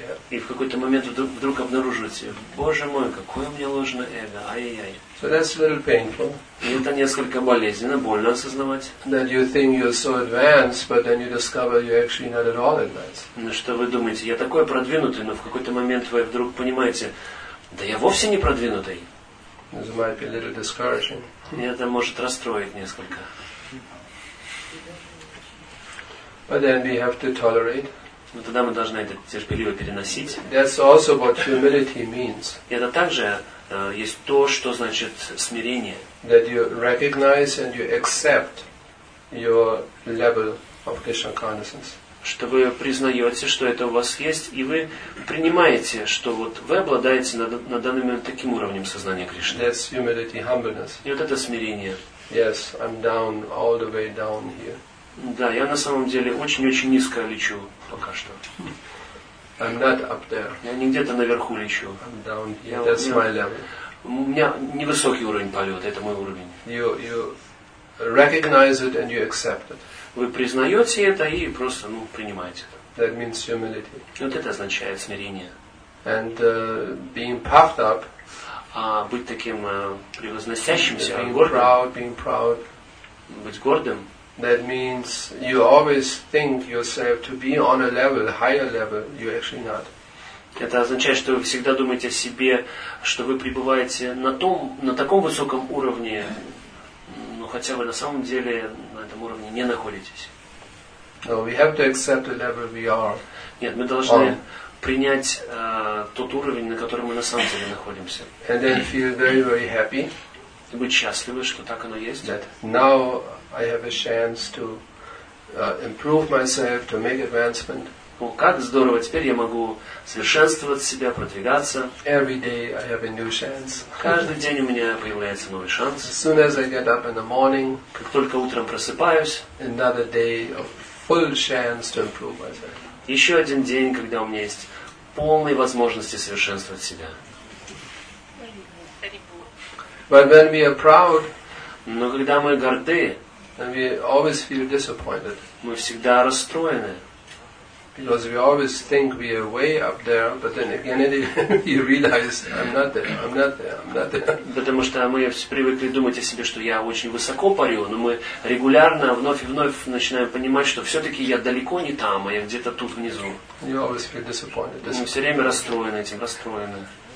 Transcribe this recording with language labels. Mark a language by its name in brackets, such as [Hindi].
[Russian] И в какой-то момент вдруг обнаружите, боже мой, какое у меня ложное эго, ай-яй-яй. [English] So that's a little painful. [Russian] И это несколько болезненно, больно осознавать. [English] That you think you're so advanced, but then you discover you're actually not at all advanced. [Russian] Что вы думаете, я такой продвинутый, но в какой-то момент вы вдруг понимаете, да я вовсе не продвинутый. [English] This might be a little discouraging. [Russian] И это может расстроить несколько. [English] But then we have to tolerate. [Russian] Но тогда мы должны это терпеливо переносить. [English] That's also what humility means. [Russian] Это также есть то, что значит смирение. [English] That you recognize and you accept your level of Krishna consciousness. [Russian] Что вы признаете, что это у вас есть, и вы принимаете, что вот вы обладаете на данный момент таким уровнем сознания Кришны. [English] That's humility, humbleness. [Russian] И вот это смирение. [English] Yes, I'm down, all the way down here. [Russian] Да, я на самом деле очень-очень низко лечу пока что. [English] I'm not up there. [Russian] Я не где-то наверху лечу. [English] I'm down here. That's my level. [Russian] У меня невысокий уровень полета, это мой уровень. [English] You recognize it and you accept it. [Russian] Вы признаете это и просто, ну, принимаете это. [English] That means humility. [Russian] Вот это означает смирение. [English] And being puffed up. [Russian] А быть таким превозносящимся, [English] being [Russian] гордым. [English] Being proud. [Russian] Быть гордым. [English] That means you always think yourself to be on a level, higher level. You're actually not. [Russian] Это означает, что вы всегда думаете о себе, что вы пребываете на том, на таком высоком уровне, но хотя вы на самом деле на этом уровне не находитесь. [English] No, we have to accept the level we are. [Russian] Нет, мы должны принять тот уровень, на котором мы на самом деле находимся. [English] And then feel very, very happy. [Russian] И быть счастливы, что так оно есть. [English] That now I have a chance to improve myself, to make advancement. [Russian] О, как здорово! Теперь я могу совершенствовать себя, продвигаться. [English] Every day I have a new chance. [Russian] Каждый день у меня появляется новый шанс. [English] As soon as I get up in the morning, [Russian] как только утром просыпаюсь, [English] another day of full chance to improve myself. [Russian] Еще один день, когда у меня есть полные возможности совершенствовать себя. [English] But when we are proud, [Russian] но когда мы горды, [English] then we always feel disappointed. [Russian] Мы всегда расстроены. [English] Because we always think we are way up there, but then again you realize I'm not there. [Russian] Потому что мы все привыкли думать о себе, что я очень высоко парю, но мы регулярно вновь и вновь начинаем понимать, что все-таки я далеко не там, а я где-то тут внизу. [English] You always feel disappointed. [Russian] Мы все время расстроены этим, расстроены.